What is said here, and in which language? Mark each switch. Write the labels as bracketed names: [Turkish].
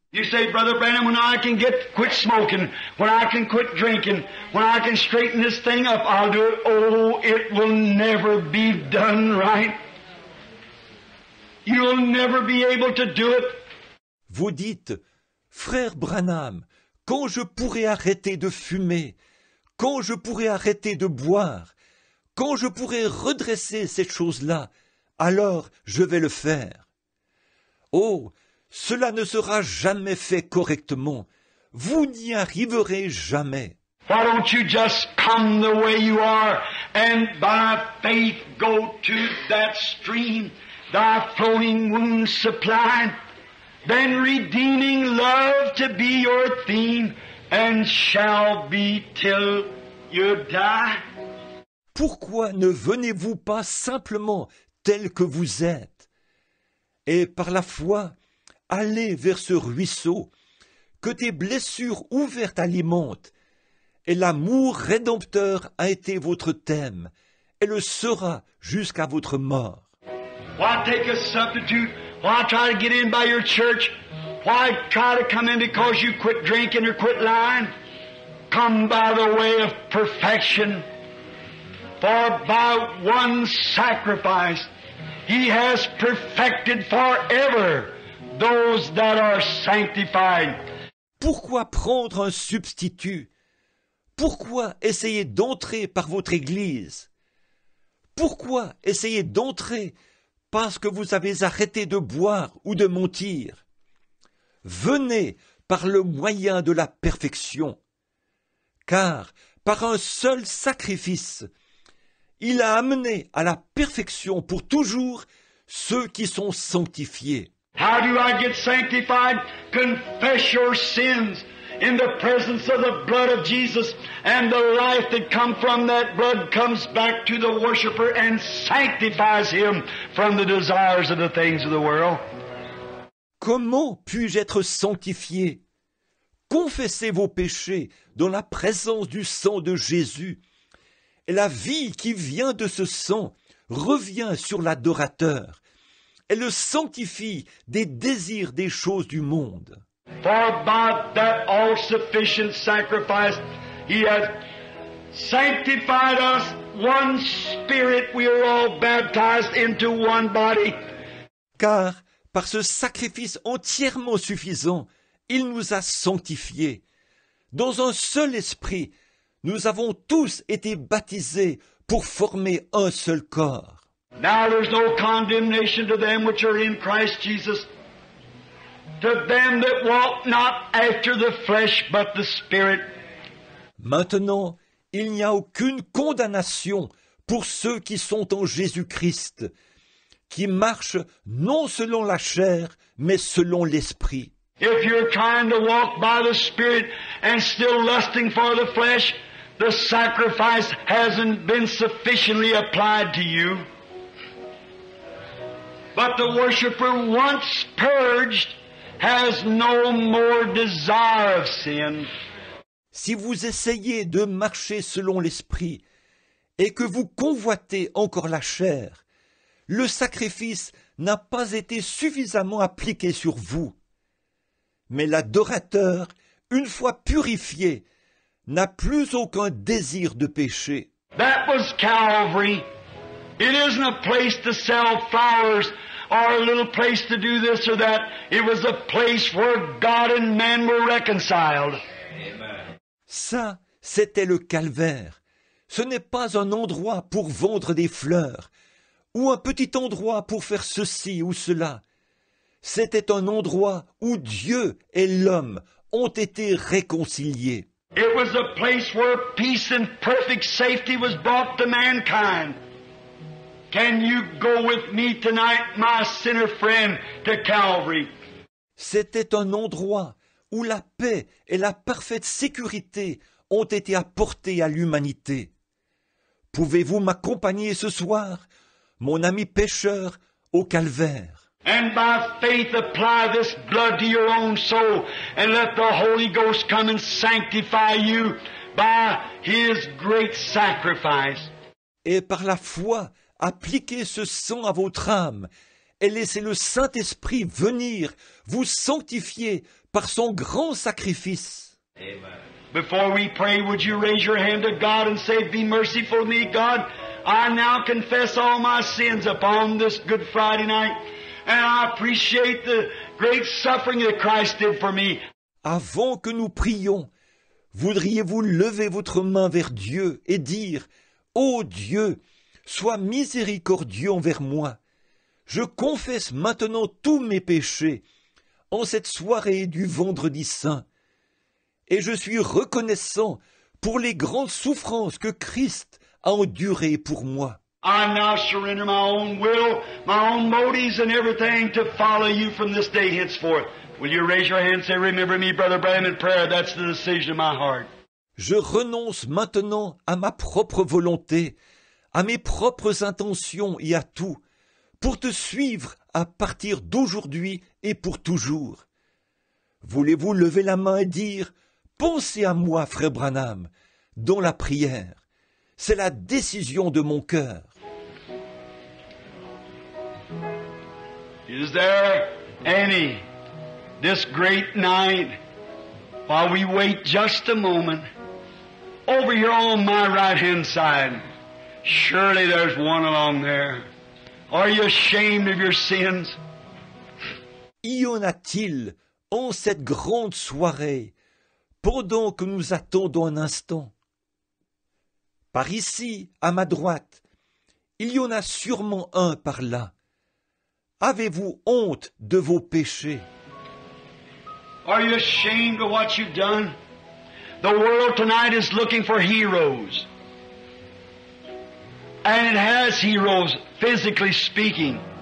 [English] You say, Brother Branham, when I can get quit smoking, when I can quit drinking, when I can straighten this thing up, I'll do it. Oh, it will never be done right. You'll never be able to do it. [French] Vous dites, Frère Branham, quand je pourrai arrêter de fumer, quand je pourrai arrêter de boire, quand je pourrai redresser cette chose-là, alors je vais le faire. Oh, cela ne sera jamais fait correctement. Vous n'y arriverez jamais. [English] Why don't you just come the way you are and by faith go to that stream, thy flowing wounds supply? Then redeeming love to be your theme and shall be till you die. [French] Pourquoi ne venez-vous pas simplement tel que vous êtes? et par la foi, aller vers ce ruisseau que tes blessures ouvertes alimentent. Et l'amour rédempteur a été votre thème et le sera jusqu'à votre mort. [English] Why take a substitute? Why try to get in by your church? Why try to come in because you quit drinking or quit lying? Come by the way of perfection. For by one sacrifice he has perfected forever those that are sanctified. [French] Pourquoi prendre un substitut? Pourquoi essayer d'entrer par votre église? Pourquoi essayer d'entrer parce que vous avez arrêté de boire ou de mentir? Venez par le moyen de la perfection, car par un seul sacrifice, il a amené à la perfection pour toujours ceux qui sont sanctifiés. [English] How do I get sanctified? Confess your sins in the presence of the blood of Jesus, and the life that comes from that blood comes back to the worshiper and sanctifies him from the desires of the things of the world. [French] Comment puis-je être sanctifié? Confessez vos péchés dans la présence du sang de Jésus. Et la vie qui vient de ce sang revient sur l'adorateur. Elle le sanctifie des désirs des choses du monde. [English] For by that all-sufficient sacrifice he has sanctified us, one spirit we are all baptized into one body. [French] Car par ce sacrifice entièrement suffisant, il nous a sanctifiés. Dans un seul esprit, nous avons tous été baptisés pour former un seul corps. [English] Now there's no condemnation to them which are in Christ Jesus, to them that walk not after the flesh but the Spirit. [French] Maintenant, il n'y a aucune condamnation pour ceux qui sont en Jésus-Christ, qui marchent non selon la chair, mais selon l'Esprit. [English] If you're trying to walk by the Spirit and still lusting for the flesh, the sacrifice hasn't been sufficiently applied to you. But the worshiper, once purged, has no more desire of sin. [French] Si vous essayez de marcher selon l'Esprit et que vous convoitez encore la chair, le sacrifice n'a pas été suffisamment appliqué sur vous. Mais l'adorateur, une fois purifié, n'a plus aucun désir de péché. [English] That was Calvary. It isn't a place to sell flowers or a little place to do this or that. It was a place where God and man were reconciled. [French] Ça, c'était le calvaire. Ce n'est pas un endroit pour vendre des fleurs ou un petit endroit pour faire ceci ou cela. C'était un endroit où Dieu et l'homme ont été réconciliés. [English] It was a place where peace and perfect safety was brought to mankind. Can you go with me tonight, my sinner friend, to Calvary? [French] C'était un endroit où la paix et la parfaite sécurité ont été apportées à l'humanité. Pouvez-vous m'accompagner ce soir, mon ami pécheur, au calvaire? [English] And by faith apply this blood to your own soul, and let the Holy Ghost come and sanctify you by His great sacrifice. [French] Et par la foi, appliquez ce sang à votre âme et laissez le Saint-Esprit venir vous sanctifier par son grand sacrifice. [English] Amen. Before we pray, would you raise your hand to God and say, be merciful to me, God. I now confess all my sins upon this Good Friday night, and I appreciate the great suffering that Christ did for me. [French] Avant que nous prions, voudriez-vous lever votre main vers Dieu et dire, ô Dieu, sois miséricordieux envers moi. Je confesse maintenant tous mes péchés en cette soirée du Vendredi Saint. Et je suis reconnaissant pour les grandes souffrances que Christ a endurées pour moi. [English] I now surrender my own will, my own motives and everything to follow you from this day henceforth. Will you raise your hand and say, remember me, Brother Branham, in prayer? That's the decision of my heart. [French] Je renonce maintenant à ma propre volonté, à mes propres intentions et à tout, pour te suivre à partir d'aujourd'hui et pour toujours. Voulez-vous lever la main et dire « Pensez à moi, frère Branham » dans la prière. C'est la décision de mon cœur. [English] Is there any this great night while we wait just a moment over here on my right hand side? Surely there's one along there. Are you ashamed of your sins? [French] Y en a-t-il en cette grande soirée, pendant que nous attendons un instant? Par ici, à ma droite, il y en a sûrement un par là. Avez-vous honte de vos péchés? [English] Are you ashamed of what you've done? The world tonight is looking for heroes. And it has heroes, physically speaking.